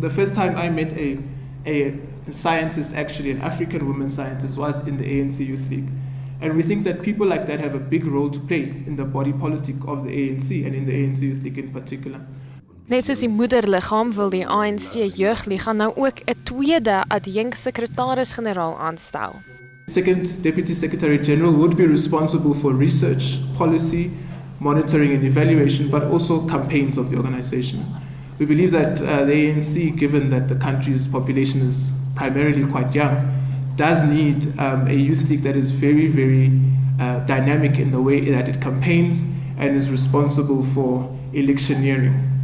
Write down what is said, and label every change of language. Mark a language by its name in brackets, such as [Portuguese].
[English] The first time I met a scientist, actually an African woman scientist, was in the ANC Youth League. And we think that people like that have a big role to play in the body politic of the ANC and in the ANC Youth League in particular. [Afrikaans] Net soos die moederliggaam wil die ANC Jeugliga nou ook 'n tweede adjunk sekretaris-generaal aanstel. [English] Second deputy secretary general would be responsible for research, policy, monitoring and evaluation, but also campaigns of the organization. We believe that the ANC, given that the country's population is primarily quite young, does need a youth league that is very, very dynamic in the way that it campaigns and is responsible for electioneering.